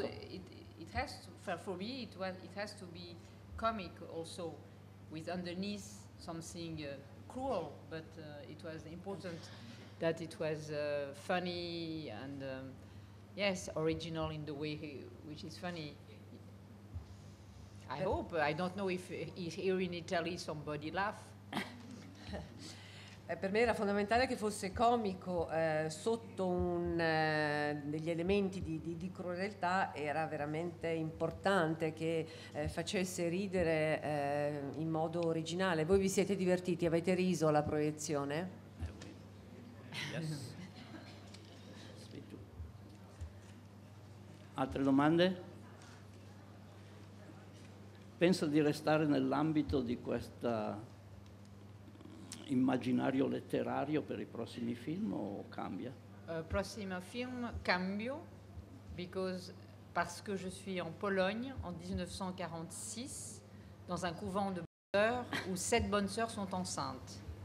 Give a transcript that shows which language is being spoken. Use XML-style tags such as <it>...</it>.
<en>It has to be comic also, with underneath something cruel, but it was important that it was funny and Yes, original in the way, which is funny. I hope, I don't know if here in Italy somebody laugh.</en> <it>Per me era fondamentale che fosse comico sotto degli elementi di crudeltà, era veramente importante che facesse ridere in modo originale. Voi vi siete divertiti, avete riso alla proiezione?</it> <en>Yes.</en> <it>Altre domande? Pensa di restare nell'ambito di questo immaginario letterario per i prossimi film o cambia? Prossimo film cambio perché</it> <fr>je suis en Pologne en 1946 dans un couvent de bonnes sœurs où 7 bonnes sœurs sont enceintes.</fr>